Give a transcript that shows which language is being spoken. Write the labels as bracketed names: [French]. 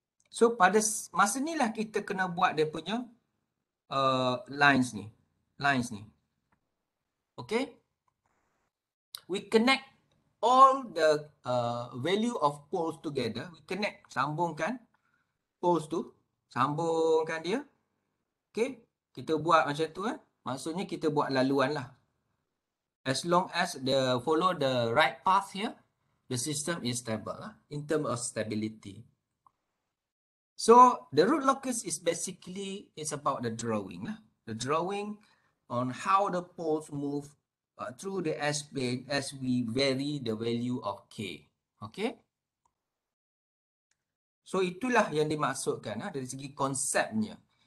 [Malay] So pada masa ni lah kita kena buat dia punya lines ni. Lines ni. Okay. [English] We connect all the value of poles together. We connect, [Malay] sambungkan poles tu. Sambungkan dia. Okay. Kita buat macam tu. Eh? Maksudnya kita buat laluan lah. [English] As long as the follow the right path here, the system is stable lah, in terms of stability. So the root locus is basically is about the drawing lah. The drawing on how the poles move through the S plane as we vary the value of K. Okay. [Malay] So itulah yang dimaksudkan lah, dari segi konsepnya.